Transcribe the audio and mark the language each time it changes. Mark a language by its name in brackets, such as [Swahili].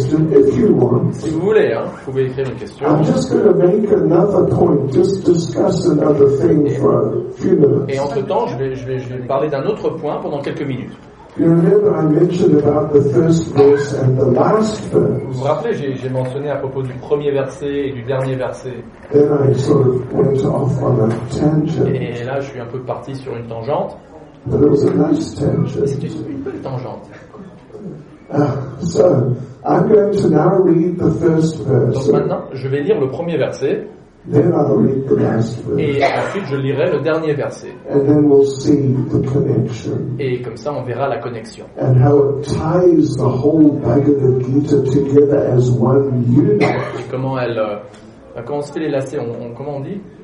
[French] Si vous voulez, hein, vous pouvez écrire une question. [English] I'm just going to make another point, just discuss another thing for a few minutes. [French] Et entre temps, je vais parler d'un autre point pendant quelques minutes. [English] You remember I mentioned about the first verse and the last verse. [French] Vous vous rappelez, j'ai mentionné à propos du premier verset et du dernier verset. [English] Then I sort of went off on a tangent. [French] Et là, je suis un peu parti sur une tangente. [English] But it was a nice tangent. [French] C'était une belle tangente. [English] So I'm going to now read the first verse. [French] Donc maintenant, je vais lire le premier verset. [English] Then I'll read the last verse. [French] Et ensuite, je lirai le dernier verset. [English] And then we'll see the connection. [French] Et comme ça, on verra la connexion. [English] And how it ties the whole Bhagavad Gita together as one unit. [French] Et comment elle, comment on se fait les lacets, comment on dit?